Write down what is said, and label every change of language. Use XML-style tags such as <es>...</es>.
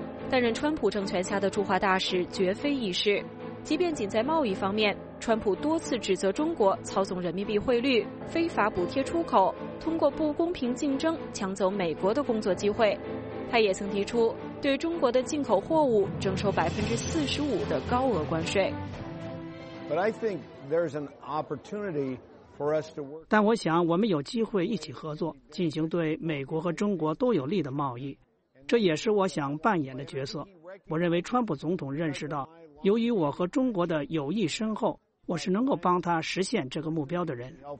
<zh>担任川普政权下的驻华大使绝非易事，即便仅在贸易方面，川普多次指责中国操纵人民币汇率、非法补贴出口、通过不公平竞争抢走美国的工作机会。他也曾提出对中国的进口货物征收45%的高额关税。</zh> <en>But I think there's an opportunity.</en> <zh>但我想我们有机会一起合作，进行对美国和中国都有利的贸易，这也是我想扮演的角色。我认为川普总统认识到，由于我和中国的友谊深厚，我是能够帮他实现这个目标的人。</zh>